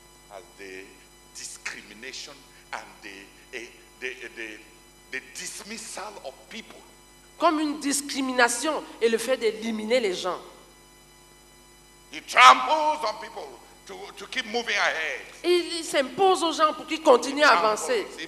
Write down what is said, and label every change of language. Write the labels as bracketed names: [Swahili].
[English] As the discrimination and the dismissal of people. [French] Comme une discrimination et le fait d'éliminer les gens. [English] He tramples on people to keep moving ahead. [French] Il s'impose aux gens pour qu'ils continuent à avancer.